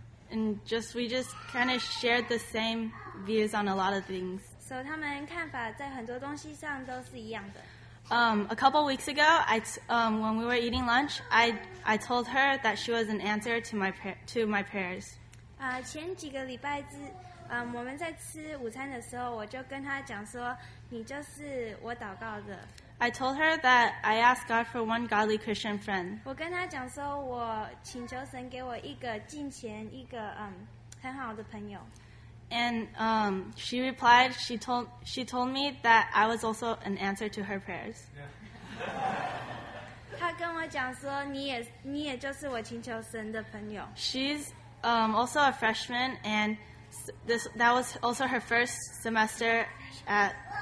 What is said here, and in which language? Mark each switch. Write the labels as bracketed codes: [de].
[en] And just we just kind of shared the same views on a lot of things. [zh] So 他们看法在很多东西上都是一样的。 [en] A couple weeks ago, when we were eating lunch, I told her that she was an answer to my prayers. [zh] 前几个礼拜之，我们在吃午餐的时候，我就跟她讲说，你就是我祷告的。 [en] I told her that I asked God for one godly Christian friend. [zh] 我跟她讲说，我请求神给我一个敬虔、一个很好的朋友。 [en] And she replied, she told me that I was also an answer to her prayers. [zh] 她跟我讲说，你也就是我请求神的朋友。 [en] She's also a freshman, and that was also her first semester at.